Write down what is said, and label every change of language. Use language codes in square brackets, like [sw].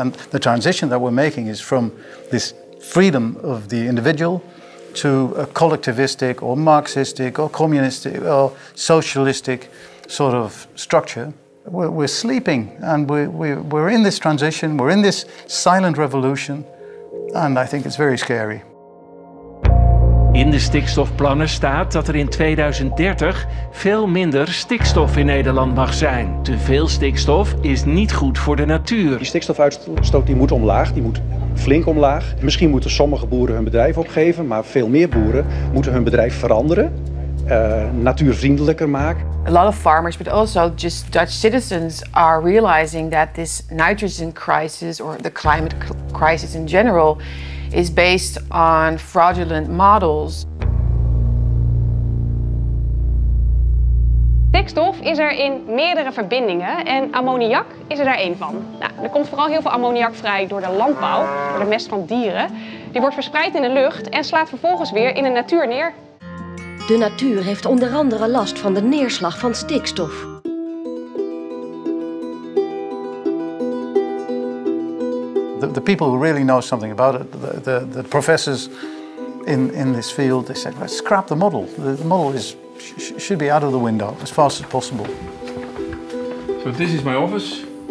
[en] And the transition that we're making is from this freedom of the individual to a collectivistic or Marxistic or communistic or socialistic sort of structure. We're sleeping, and we're in this transition, we're in this silent revolution, and I think it's very scary. [nl] In de stikstofplannen staat dat er in 2030 veel minder stikstof in Nederland mag zijn. Te veel stikstof is niet goed voor de natuur. Die stikstofuitstoot die moet omlaag, die moet flink omlaag. Misschien moeten sommige boeren hun bedrijf opgeven, maar veel meer boeren moeten hun bedrijf veranderen, natuurvriendelijker maken. [en] A lot of farmers, but also just Dutch citizens, are realizing that this nitrogen crisis or the climate crisis in general is based on fraudulent models. [nl] Stikstof is er in meerdere verbindingen en ammoniak is er daar één van. Nou, er komt vooral heel veel ammoniak vrij door de landbouw, door de mest van dieren. Die wordt verspreid in de lucht en slaat vervolgens weer in de natuur neer. De natuur heeft onder andere last van de neerslag van stikstof. [en] The people who really know something about it, the professors in this field, they said, let's scrap the model. The model should be out of the window as fast as possible. So this is my office.